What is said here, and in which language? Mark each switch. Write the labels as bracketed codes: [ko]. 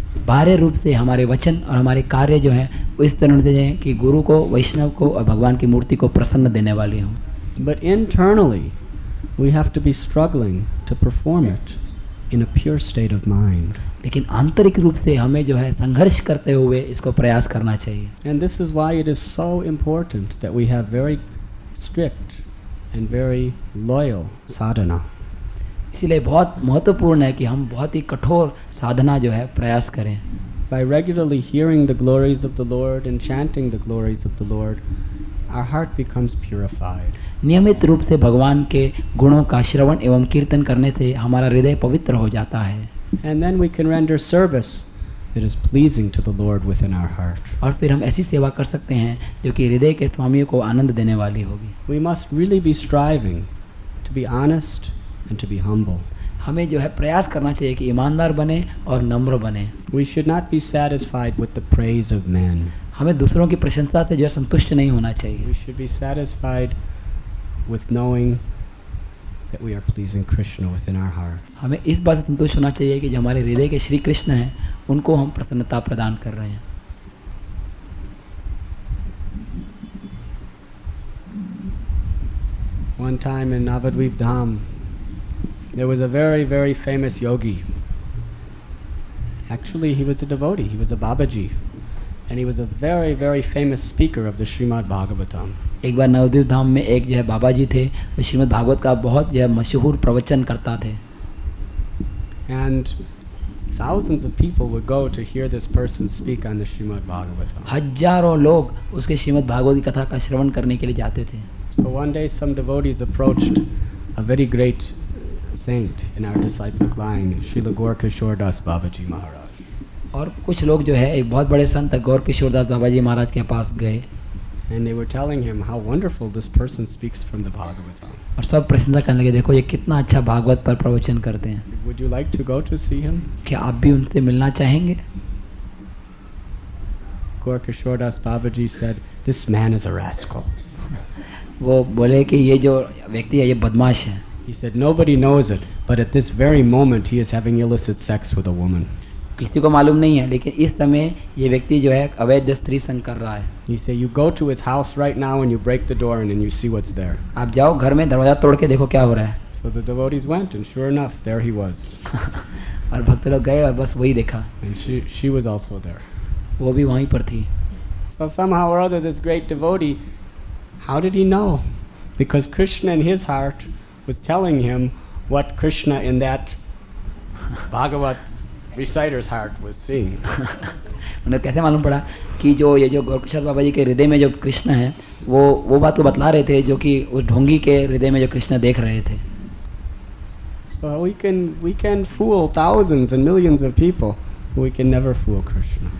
[hi] बाहर रूप से हमारे वचन और हमारे कार्य जो हैं वो इस तरह से हैं कि गुरु को, वैष्णव को और भगवान की मूर्ति को प्रसन्न देने वाले हों. [en] But internally, we have to be struggling to perform it in a pure state of mind. [hi] लेकिन आंतरिक रूप से हमें जो है संघर्ष करते हुए इसको प्रयास करना चाहिए. [en] And this is why it is so important that we have very strict and very loyal sadhana. [hi] इसीलिए बहुत महत्वपूर्ण है कि हम बहुत ही कठोर साधना जो है प्रयास करें. [en] By regularly hearing the glories of the Lord and chanting the glories of the Lord, our heart becomes purified. [hi] नियमित रूप से भगवान के गुणों का श्रवण एवं कीर्तन करने से हमारा हृदय पवित्र हो जाता है. [en] And then we can render service that is pleasing to the Lord within our heart. [hi] और फिर हम ऐसी सेवा कर सकते हैं जो कि हृदय के स्वामियों को आनंद देने वाली होगी. [en] We must really be striving to be honest and to be humble. [hi] हमें जो है प्रयास करना चाहिए कि ईमानदार बने और नम्र बने. [en] We should not be satisfied with the praise of men. [hi] हमें दूसरों की प्रशंसा से जो है संतुष्ट नहीं होना चाहिए. [en] We should be satisfied with knowing that we are pleasing Krishna within our hearts. [hi] हमें इस बात से संतुष्ट होना चाहिए कि जो हमारे हृदय के श्री कृष्ण हैं उनको हम प्रसन्नता प्रदान कर रहे हैं. [en] One time in Navadvip Dham, there was a very, very famous yogi. Actually, he was a devotee. He was a Babaji. And he was a very, very famous speaker of the Srimad Bhagavatam. [hi] एक बार नवद्वीप धाम में एक जो है बाबा जी थे, वो श्रीमद् भागवत का बहुत जो है मशहूर प्रवचन करता थे. [en] And thousands of people would go to hear this person speak on the Srimad Bhagavatam. [hi] हजारों लोग उसके श्रीमद् भागवत की कथा का श्रवण करने के लिए जाते थे. [en] So one day some devotees approached a very great saint in our disciplic line, Srila Gaurkishore Das Babaji Maharaj. [hi] और कुछ लोग जो है एक बहुत बड़े संत गौरकिशोर दास बाबा जी महाराज के पास गए. [en] And they were telling him how wonderful this person speaks from the Bhagavatam. [hi] और सब प्रशंसा करने लगे, देखो ये कितना अच्छा भागवत पर प्रवचन करते हैं. [en] Would you like to go to see him? [hi] क्या आप भी उनसे मिलना चाहेंगे? [en] Gaurkishore Das Babaji said, "This man is a rascal." [hi] वो बोले कि ये जो व्यक्ति है ये बदमाश है. [en] He said, "Nobody knows it, but at this very moment, he is having illicit sex with a woman." [hi] किसी को मालूम नहीं है, लेकिन इस समय ये व्यक्ति जो है अवैध स्त्री संग कर रहा है. [en] He said, "You go to his house right now and you break the door and you see what's there." [hi] आप जाओ घर में दरवाजा तोड़ के देखो क्या हो रहा है. [en] So the devotees went and sure enough, there he was. [hi] और भक्त लोग गए और बस वही देखा. [en] And she was also there. [hi] वो भी वहीं पर थी. [en] So somehow or other, this great devotee, how did he know? Because Krishna in his heart was telling him what Krishna in that Bhagavat reciter's heart was seeing. [hi] उन्हें कैसे मालूम पड़ा कि जो ये जो गौरकिशोर बाबा जी के हृदय में जो कृष्ण है वो बात को बतला रहे थे जो कि उस ढोंगी के हृदय में जो कृष्ण देख रहे थे. [en] So we can fool thousands and millions of people, but we can never fool Krishna.